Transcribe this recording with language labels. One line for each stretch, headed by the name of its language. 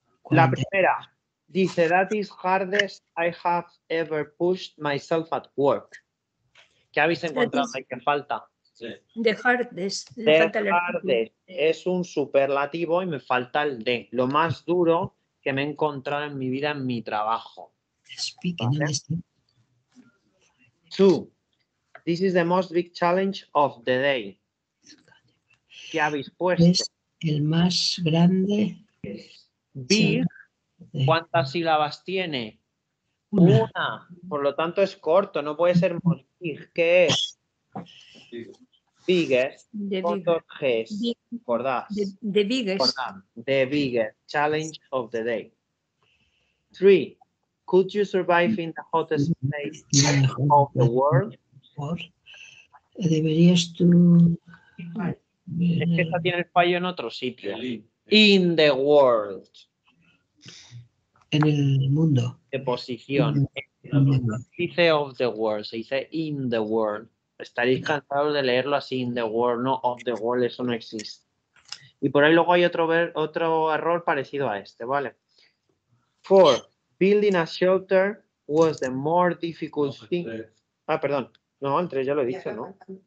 Spanish: La primera. Dice,
English: that is hardest I have ever pushed myself at work.
Spanish: ¿Qué habéis encontrado? ¿Hay que falta? De hardest. De hardest. Es un superlativo y me falta el de. Lo más duro que me he encontrado en mi vida, en mi trabajo.
English: Speaking. Two. This is the most big challenge of the day.
Spanish: ¿Qué habéis puesto? Es el más grande. Big. ¿Cuántas sílabas tiene? Una. Por lo tanto, es corto. No puede ser más big. ¿Qué es? Biggest, con dos Gs, ¿recordás?
English: The biggest. The biggest, challenge of the day. Three, could you survive in the hottest place of the world?
Spanish: Deberías tú... Es que esta tiene el fallo en otro sitio.
English: In the world.
Spanish: En el mundo. De posición. Dice
English: of the world,
Spanish: se dice
English: in the world.
Spanish: Estaréis cansados de leerlo así,
English: in the world,
Spanish: no
English: of the world,
Spanish: eso no existe. Y por ahí luego hay otro error parecido a este, ¿vale?
English: Four, building a shelter was the more difficult thing.
Spanish: Ah, perdón, no, entre ya lo he dicho, ¿no?